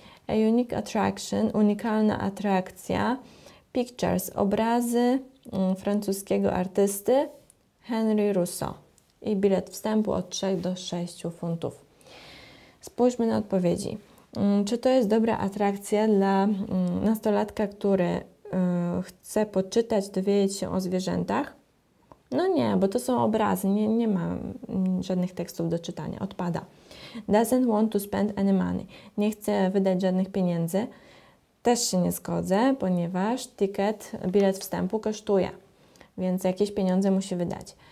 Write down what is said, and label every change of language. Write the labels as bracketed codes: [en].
[en] A unique attraction, [pl] unikalna atrakcja, pictures, obrazy francuskiego artysty Henri Rousseau i bilet wstępu od 3 do 6 funtów. Spójrzmy na odpowiedzi. Czy to jest dobra atrakcja dla nastolatka, który chce poczytać, dowiedzieć się o zwierzętach? No nie, bo to są obrazy, nie ma żadnych tekstów do czytania, odpada. [en] Doesn't want to spend any money. [pl] Nie chce wydać żadnych pieniędzy. Też się nie zgodzę, ponieważ ticket, bilet wstępu kosztuje, więc jakieś pieniądze musi wydać.